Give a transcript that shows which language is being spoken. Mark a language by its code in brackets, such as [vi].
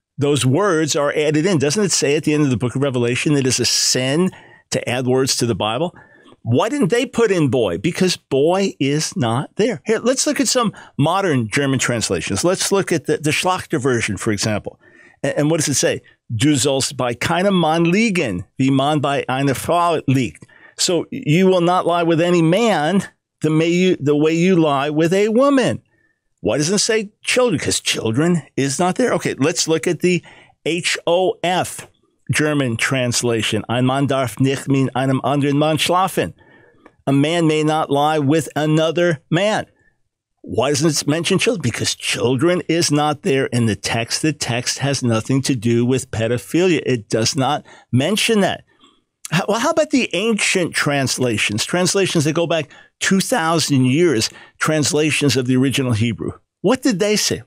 [en] Those words are added in. Doesn't it say at the end of the book of Revelation that it is a sin to add words to the Bible? Why didn't they put in boy? Because boy is not there. Here, let's look at some modern German translations. Let's look at the Schlachter version, for example. And what does it say? [de] Du sollst bei keinem Mann liegen, wie man bei einer Frau liegt. [en] So you will not lie with any man the way you lie with a woman. Why doesn't it say children? Because children is not there. Okay, let's look at the HOF German translation. [de] Ein Mann darf nicht mit einem anderen Mann schlafen. [en] A man may not lie with another man. Why doesn't it mention children? Because children is not there in the text. The text has nothing to do with pedophilia. It does not mention that. Well, how about the ancient translations? Translations that go back 2,000 years, translations of the original Hebrew. What did they say?